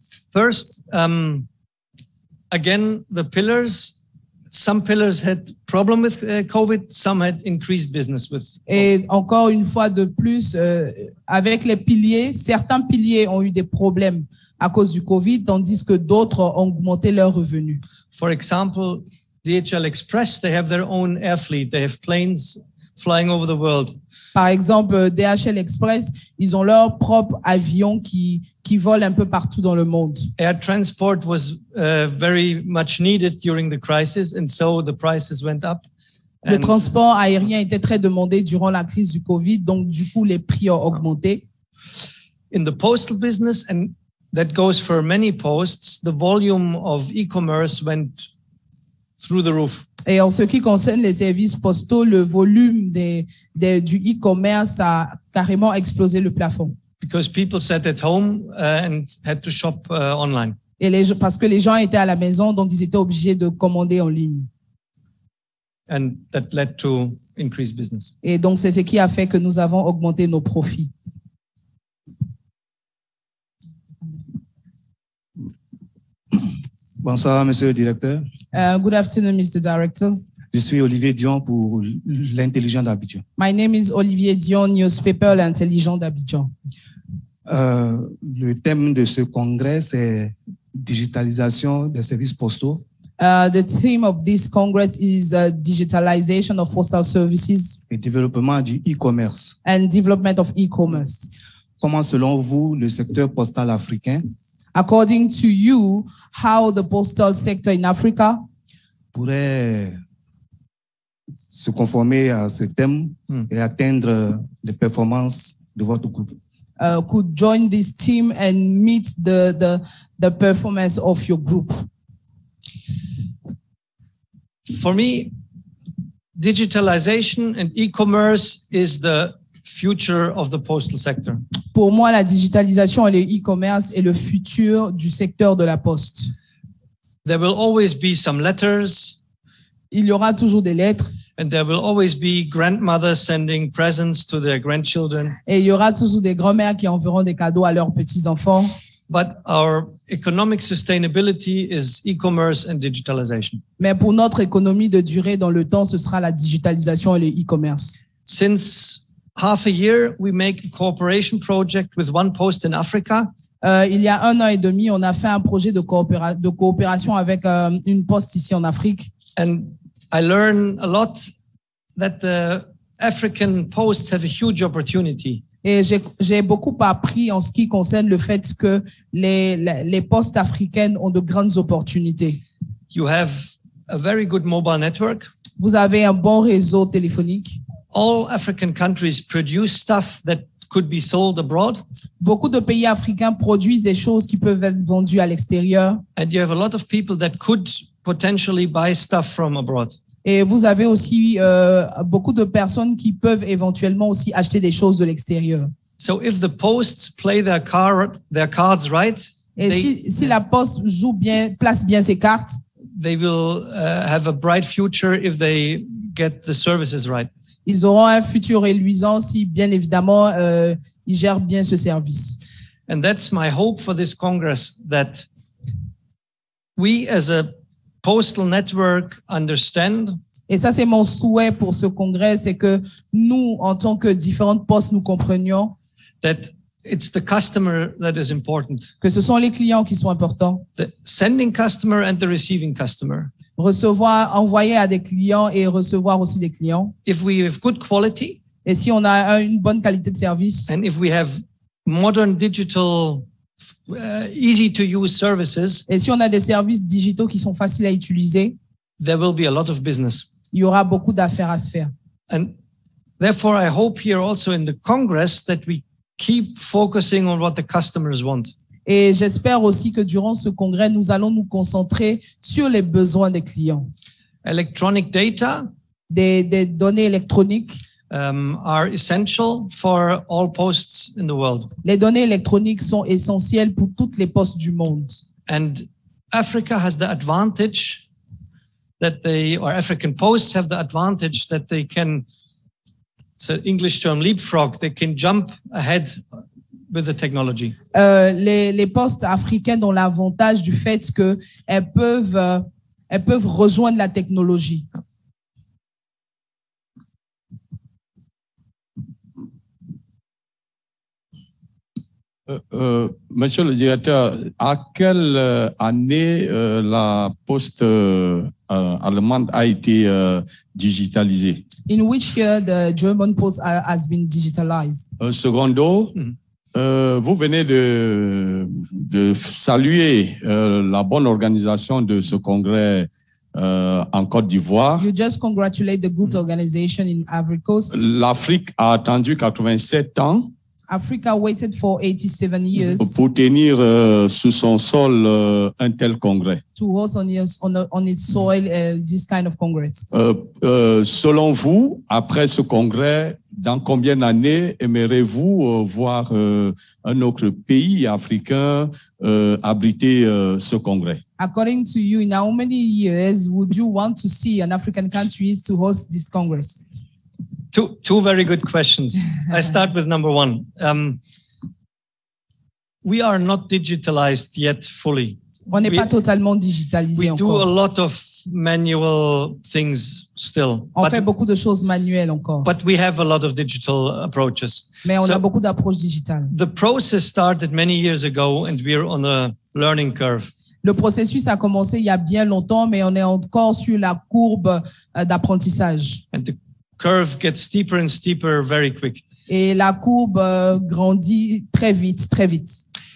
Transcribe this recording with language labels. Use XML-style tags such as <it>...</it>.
<en>First, again, the pillars. Some pillars had problem with COVID. Some had increased business with COVID.</en> <fr>Et encore une fois de plus, avec les piliers, certains piliers ont eu des problèmes à cause du COVID, tandis que d'autres ont augmenté leurs revenus.</fr> <en>For example, DHL Express, they have their own air fleet. They have planes flying over the world.</en> <fr>Par exemple, DHL Express, ils ont leur propre avion qui vole un peu partout dans le monde.</fr> <en>Air transport was very much needed during the crisis, and so the prices went up.</en> <fr>Le transport aérien était très demandé durant la crise du COVID, donc du coup, les prix ont augmenté.</fr> <en>In the postal business, and that goes for many posts, the volume of e-commerce went through the roof.</en> <fr>Et en ce qui concerne les services postaux, le volume du e-commerce a carrément explosé le plafond.</fr> <en>Because people sat at home and had to shop online.</en> <fr>Et parce que les gens étaient à la maison, donc ils étaient obligés de commander en ligne.</fr> <en>And that led to increased business.</en> <fr>Et donc c'est ce qui a fait que nous avons augmenté nos profits. Bonsoir, Monsieur le Directeur.</fr> <en>Good afternoon, Mr. Director.</en> <fr>Je suis Olivier Dion pour l'Intelligent d'Abidjan.</fr> <en>My name is Olivier Dion, newspaper, l'Intelligent d'Abidjan.</en> <fr>Le thème de ce congrès, c'est digitalisation des services postaux.</fr> <en>The theme of this congress is digitalization of postal services.</en> <fr>Et développement du e-commerce.</fr> <en>And development of e-commerce.</en> <fr>Comment, selon vous, le secteur postal africain?</fr> <en>According to you, how the postal sector in Africa</en> <fr>pourrait se conformer à ce thème et atteindre les performances de votre groupe?</fr> <en>Could join this team and meet the performance of your group. For me, digitalization and e-commerce is the future of the postal sector.</en> <fr>Pour moi, la digitalisation et le e-commerce est le futur du secteur de la poste.</fr> <en>There will always be some letters.</en> <fr>Il y aura toujours des lettres.</fr> <en>And there will always be grandmothers sending presents to their grandchildren.</en> <fr>Et il y aura toujours des grand-mères qui enverront des cadeaux à leurs petits-enfants.</fr> <en>But our economic sustainability is e-commerce and digitalization.</en> <fr>Mais pour notre économie de durée dans le temps, ce sera la digitalisation et le e-commerce.</fr> <en>Since half a year, we make a cooperation project with one post in Africa.</en> <fr>Il y a un an et demi, on a fait un projet de coopération avec une poste ici en Afrique.</fr> <en>And I learn a lot that the African posts have a huge opportunity.</en> <fr>Et j'ai beaucoup appris en ce qui concerne le fait que les postes africaines ont de grandes opportunités.</fr> <en>You have a very good mobile network.</en> <fr>Vous avez un bon réseau téléphonique.</fr> <en>All African countries produce stuff that could be sold abroad.</en> <fr>Beaucoup de pays africains produisent des choses qui peuvent être vendues à l'extérieur.</fr> <en>And you have a lot of people that could potentially buy stuff from abroad.</en> <fr>Et vous avez aussi beaucoup de personnes qui peuvent éventuellement aussi acheter des choses de l'extérieur.</fr> <en>So if the posts play their cards right,</en> <fr>si la poste joue bien, place bien ses cartes,</fr> <en>they will have a bright future if they get the services right.</en> <fr>Ils auront un futur éluisant si, bien évidemment, ils gèrent bien ce service.</fr> <en>And that's my hope for this Congress, that we as a postal network understand.</en> <fr>Et ça, c'est mon souhait pour ce Congrès, c'est que nous, en tant que différentes postes, nous comprenions</fr> <en>that it's the customer that is important.</en> <fr>Que ce sont les clients qui sont importants.</fr> <en>The sending customer and the receiving customer.</en> <fr>Recevoir, envoyer à des clients et recevoir aussi des clients.</fr> <en>If we have good quality,</en> <fr>et si on a une bonne qualité de service,</fr> <en>and if we have modern digital, easy to use services,</en> <fr>et si on a des services digitaux qui sont faciles à utiliser,</fr> <en>there will be a lot of business.</en> <fr>Il y aura beaucoup d'affaires à se faire.</fr> <en>And therefore, I hope here also in the Congress that we keep focusing on what the customers want.</en> <fr>Et j'espère aussi que durant ce congrès, nous allons nous concentrer sur les besoins des clients.</fr> <en>Electronic data,</en> <fr>des données électroniques,</fr> <en>are essential for all posts in the world.</en> <fr>Les données électroniques sont essentielles pour toutes les postes du monde.</fr> <en>And Africa has the advantage that they, or African posts have the advantage that they can, it's an English term, leapfrog, they can jump ahead with the technology.</en> <fr>Les postes africaines ont l'avantage du fait que elles peuvent rejoindre la technologie. Monsieur le directeur, à quelle année la poste allemande a été digitalisée?</fr> <en>In which year the German post has been digitalized? Secondo. Mm-hmm.</en> <fr>Vous venez de saluer la bonne organisation de ce congrès en Côte d'Ivoire.</fr> <en>You just congratulate the good organization in Ivory Coast.</en> <fr>L'Afrique a attendu 87 ans.</fr> <en>Africa waited for 87 years.</en> <fr>Pour tenir sous son sol un tel congrès.</fr> <en>To host on its soil this kind of congress.</en> <fr>Selon vous, après ce congrès, dans combien d'années aimerez-vous voir un autre pays africain abriter ce congrès?</fr> <en>According to you, in how many years would you want to see an African country to host this congress? Two very good questions. I start with number one. We are not digitalized yet fully.</en> <fr>On n'est pas totalement digitalisé encore.</fr> <en>We do a lot of manual things still.</en> <fr>On fait beaucoup de choses manuelles encore.</fr> <en>But we have a lot of digital approaches.</en> <fr>Mais on a beaucoup d'approches digitales.</fr> <en>The process started many years ago and we are on a learning curve.</en> <fr>Le processus a commencé il y a bien longtemps, mais on est encore sur la courbe d'apprentissage.</fr> <en>And the curve gets steeper and steeper very quick.</en> <fr>Et la courbe grandit très vite, très vite.</fr>